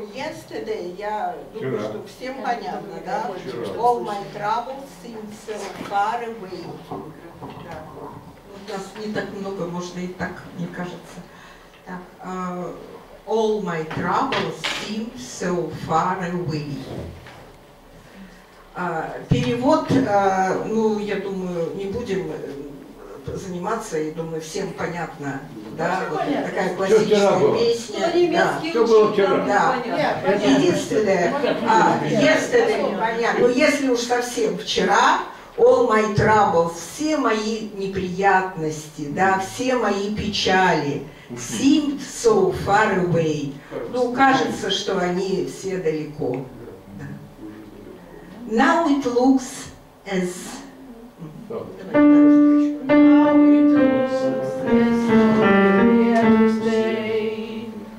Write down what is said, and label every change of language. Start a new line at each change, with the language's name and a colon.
English: yesterday,
Russian: я думаю,
English: sure.
Russian: что всем
English: yeah.
Russian: понятно, yeah. да?
English: Sure. All my troubles seem so far away.
Russian: У нас не так много, можно и так, мне кажется. Так,
English: all my troubles seem so far away.
Russian: Перевод, ну, я думаю, не будем заниматься, и думаю, всем понятно, да, вот понятно. Такая классическая песня. Что да. Все было вчера. Да. Нет, единственное,
English: yesterday,
Russian: понятно. Но если уж совсем вчера,
English: all my troubles,
Russian: все мои неприятности, да, все мои печали,
English: seem so far away,
Russian: ну, кажется, что они все далеко.
English: Now it looks as... Now it looks as though the end is day.